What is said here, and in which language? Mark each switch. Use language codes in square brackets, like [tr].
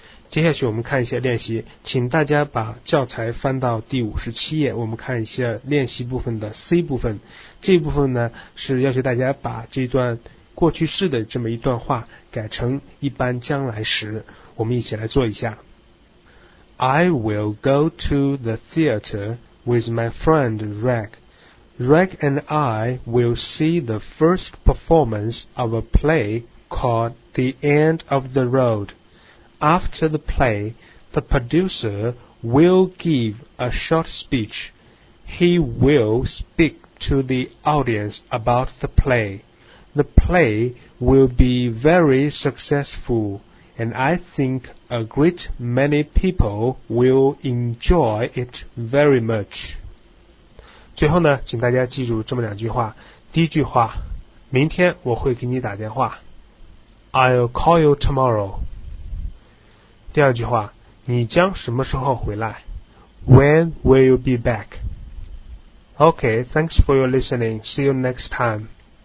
[zh] 接下去我们看一下练习，请大家把教材翻到第57页，我们看一下练习部分的 C 部分。这部分呢是要求大家把这段过去式的这么一段话改成一般将来时，我们一起来做一下。 [en] I will go to the theater with my friend Rag. Rag and I will see the first performance of a play called The End of the Road. After the play, the producer will give a short speech. He will speak to the audience about the play. The play will be very successful. And I think a great many people will enjoy it very much. [zh] 最后呢，请大家记住这么两句话。第一句话，明天我会给你打电话。 [en] I'll call you tomorrow. [zh] 第二句话，你将什么时候回来。 [en] When will you be back? Okay, thanks for your listening. See you next time.